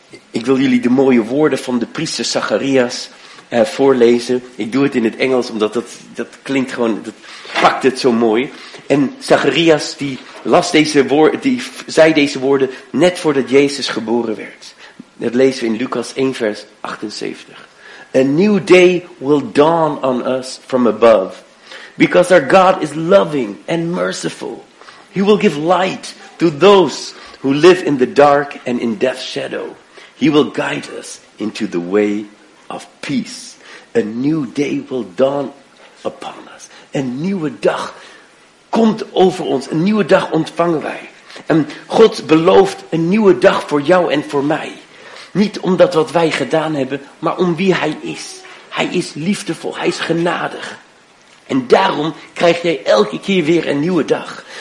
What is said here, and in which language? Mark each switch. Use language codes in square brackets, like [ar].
[nl] Ik wil jullie de mooie woorden van de priester Zacharias voorlezen. Ik doe het in het Engels, omdat dat klinkt gewoon, dat pakt het zo mooi. En Zacharias die las deze woorden, die zei deze woorden net voordat Jezus geboren werd. Dat lezen we in Lucas 1 vers 78. [en] A new day will dawn on us from above. Because our God is loving and merciful. He will give light to those who live in the dark and in death's shadow. He will guide us into the way of peace. A new day will dawn upon us. [nl] Een nieuwe dag komt over ons. Een nieuwe dag ontvangen wij. En God belooft een nieuwe dag voor jou en voor mij. Niet omdat wat wij gedaan hebben, maar om wie hij is. Hij is liefdevol, hij is genadig. En daarom krijg jij elke keer weer een nieuwe dag.